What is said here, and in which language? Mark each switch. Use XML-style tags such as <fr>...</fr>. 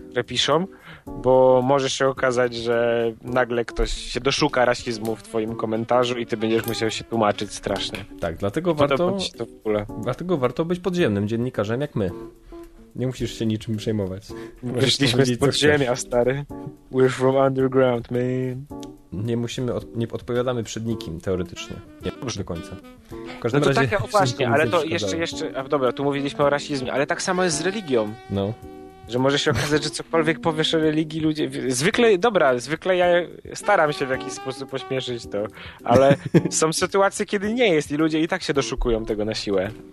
<pl>które piszą, bo może się okazać, że nagle ktoś się doszuka rasizmu w twoim komentarzu i ty będziesz musiał się tłumaczyć strasznie. Tak, dlatego warto, dlatego warto być podziemnym dziennikarzem jak my. Nie musisz się niczym przejmować. Wyszliśmy z podziemia, stary.</pl> <en>We're from underground, man.</en> <pl>Nie musimy, nie odpowiadamy przed nikim, teoretycznie. Nie, już do końca. W każdym razie, to takie, właśnie, ale to jeszcze, a dobra, tu mówiliśmy o rasizmie, ale tak samo jest z religią. No. Że może się okazać, że cokolwiek powiesz o religii, ludzie... Zwykle ja staram się w jakiś sposób ośmieszyć to, ale są sytuacje, kiedy nie jest i ludzie i tak się doszukują tego na siłę.</pl>